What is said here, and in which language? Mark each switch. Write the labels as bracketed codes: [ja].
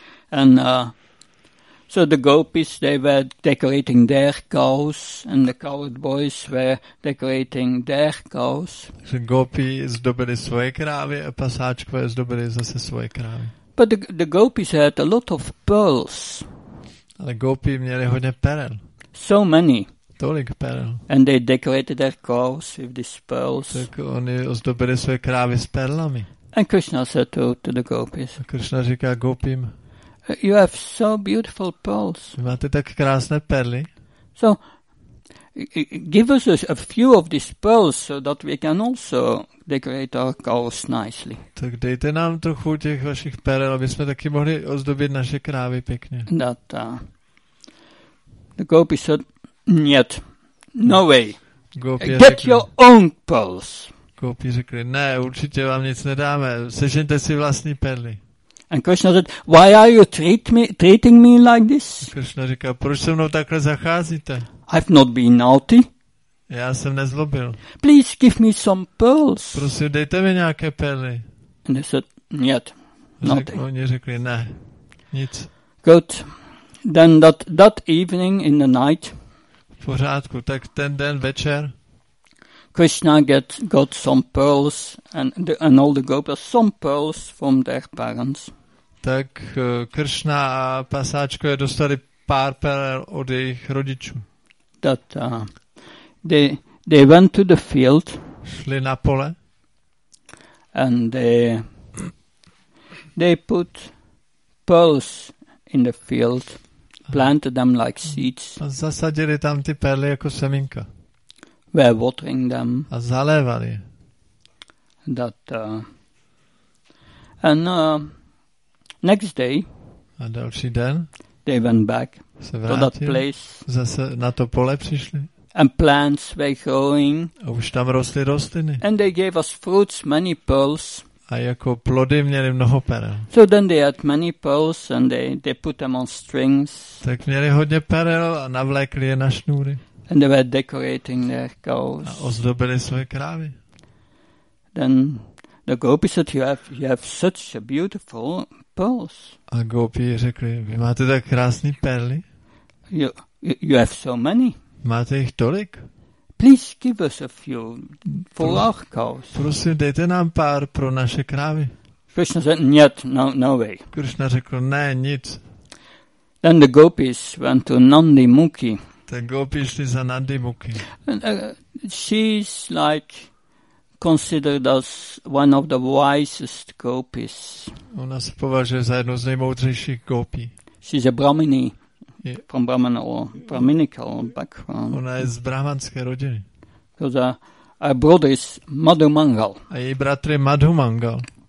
[en] And so the gopis, they were decorating their cows, and the cowherd boys were decorating their cows. [cs] So gopi zdobili svoje krávy a pasáčkové zdobili zase svoje krávy. [en] But the gopis had a lot of pearls. [cs] Ale gopi měli hodně perel. [en] So many. [cs] Tolik perel. [en] And they decorated their cows with these pearls. [cs] Tak oni zdobili svoje krávy s perlami. [en] And Krishna said to the gopis. [cs] A Krishna říká gopim. [en] You have so beautiful pearls. [cs] Máte tak krásné perly. [en] So, give us a few of these pearls so that we can also decorate our cows nicely. [cs] Tak dejte nám trochu těch vašich perel, aby jsme taky mohli ozdobit naše krávy pěkně. [en] That, the gopi said, [ru] "Niet, [en] no way. [cs] Gopi [en] get [cs] řekli, [en] your own pearls." [cs] Gopi řekli, ne, určitě vám nic nedáme, sežeňte si vlastní perly. [en] And Krishna said, "Why are you treating me like this?" [cs] Krishna říká, proč se mnou takhle zacházíte? [en] I've not been naughty. [cs] Já jsem nezlobil. [en] Please give me some pearls. [cs] Prosím, dejte mi nějaké perly. [en] And he said, [ru] "Niet, [en] nothing." [cs] Oni řekli, ne, nic. [en] Good. Then that evening in the night. [cs] V pořádku, tak ten den večer. [en] Krishna got some pearls and all the gopis some pearls from their parents. [cs] Tak Krishna a pasáčkové dostali pár perel od jejich rodičů. [en] That they went to the field. [cs] Šli na pole. [en] And they put pearls in the field, planted them like seeds. [cs] A zasadili tam ty perly jako semínka. [en] Were watering them. [cs] A zalévali. [en] That and next day. [cs] A další den. [en] They went back. [cs] Se vrátili. [en] To that place. [cs] Zase na to pole přišli. [en] And plants were growing. [cs] A už tam rostly rostliny. [en] And they gave us fruits, many pearls. [cs] A jako plody měli mnoho perel. [en] So then they had many pearls and they put them on strings. [cs] Tak měli hodně perel a navlékli je na šnůry. [en] And they were decorating their cows. [cs] A ozdobili svoje krávy. [en] Then the gopis said, you have such a beautiful pearls. [cs] A gopi řekli, vy máte tak krásný perly. [en] You have so many. [cs] Máte jich tolik. [en] Please give us a few for our cows. [cs] Prosím, dejte nám pár pro naše krávy. [en] Krishna said, [ru] "Niet, [en] no way." [cs] Krishna řekl, ne, nic. [en] Then the gopis went to Nandi Muki. [cs] Tak gopi šli za Nandi Muki. [en] She's like considered as one of the wisest gopis. [cs] Ona se považuje za jednu z nejmoudřejších gopi. [en] She's a Brahmini from Brahminical background. [cs] Ona je z brahmanské rodiny. [en] Because her brother is Madhu Mangal. [cs] A její bratr je Madhu Mangal.